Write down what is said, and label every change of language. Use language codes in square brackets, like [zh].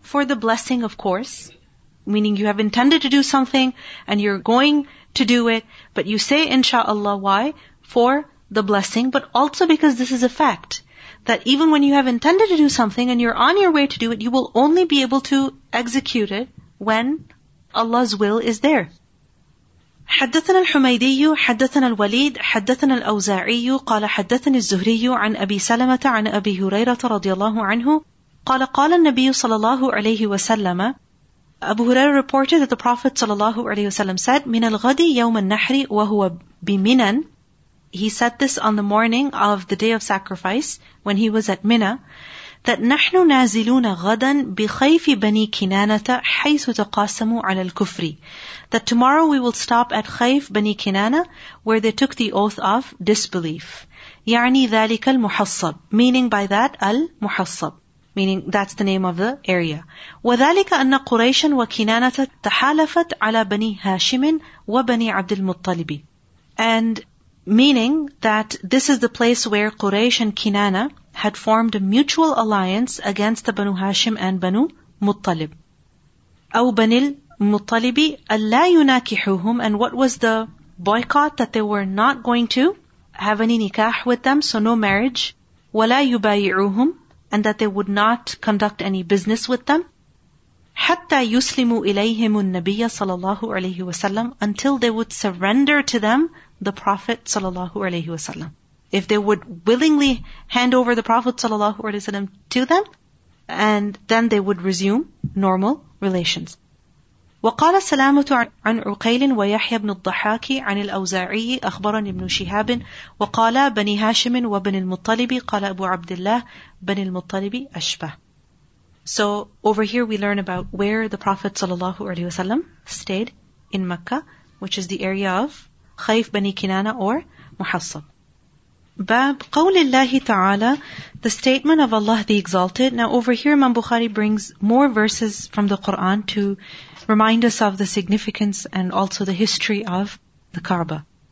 [en] For the blessing, of course. Meaning you have intended to do something, and you're going to do it, but you say insha'Allah, why? For the blessing, but also because this is a fact. That even when you have intended to do something, and you're on your way to do it, you will only be able to execute it when Allah's will is there. [ar] حدثنا الحميدي حدثنا الوليد حدثنا الأوزاعي قال حدثني الزهري عن أبي سلمة عن أبي هريرة رضي الله عنه قال قال النبي صلى الله عليه وسلم. أبو هريرة [en] reported that the Prophet [ar] صلى الله عليه وسلم [en] said [ar] من الغد يوم النحر وهو بمنى. [en] He said this on the morning of the day of sacrifice when he was at Mina, that [ar] نحن نازلون غدا بخيف بني كنانة حيث تقاسموا على الكفر. [en] That tomorrow we will stop at خيف بني كنانة, where they took the oath of disbelief. [ar] يعني ذلك المحصب, [en] meaning by that المحصب, meaning that's the name of the area. [ar] وذلك أن قريش وكنانة تحالفت على بني هاشم وبني عبد المطلب. [en] And meaning that this is the place where Quraysh and Kinana had formed a mutual alliance against the Banu Hashim and Banu Muttalib. [ar] أو بني المطلب ألا يناكحوهم. [en] And what was the boycott? That they were not going to have any nikah with them, so no marriage. [ar] ولا يبايعوهم. [en] And that they would not conduct any business with them. [ar] حتى يسلموا إليهم النبي صلى الله عليه وسلم, [en] until they would surrender to them the Prophet [ar] صلى الله عليه وسلم. [en] If they would willingly hand over the Prophet صلى الله عليه وسلم to them, and then they would resume normal relations. [ar] وقال سلامة عن عقيل ويحيى بن الضحاك عن الأوزاعي أخبرني ابن شهاب وقال بني هاشم وبن المطلب قال أبو عبد الله بني المطلب أشبه. [en] So over here we learn about where the Prophet sallallahu alaihi wasallam stayed in Mecca, which is the area of Khayf bani Kinana or Muhassab. Bab [ar] قول الله تعالى, [en] the statement of Allah the Exalted. Now over here Imam Bukhari brings more verses from the Quran to remind us of the significance and also the history of the Kaaba.